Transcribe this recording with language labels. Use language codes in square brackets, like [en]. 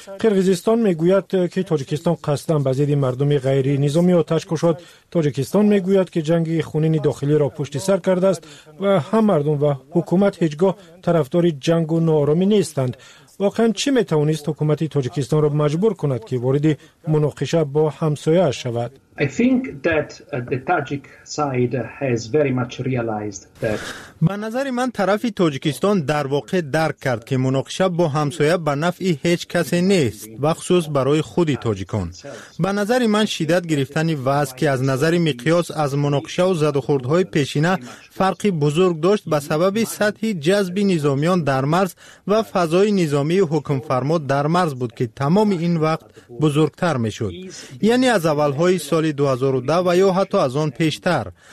[fa] قرقیزستان میگوید که تاجیکستان قصداً به زیر مردم غیر نظامی آتش کشاد. تاجیکستان میگوید که جنگ خونین داخلی را پشت سر کرده است و هم مردم و حکومت هیچگاه طرفدار جنگ و نارامی نیستند. واقعاً چی میتوانست حکومت تاجیکستان را مجبور کند که وارد مناقشه با همسایه اش شود؟ [en] I think that the Tajik side has very much realized that [fa] به نظر من طرف تاجیکستان در واقع درک کرد که مناقشه با همسایه به نفع هیچ کسی نیست و خصوص برای خود تاجیکان به نظر من شدت گرفتن وضع که از نظر مقیاس از مناقشه و زد و خوردهای پیشینه فرقی بزرگ داشت به سبب سطح جذب نظامیان در مرز و فضای نظامی حکم فرما در مرز بود که تمام این وقت بزرگتر میشد یعنی از اولهای سال 2010 و یا حتی از آن پیشتر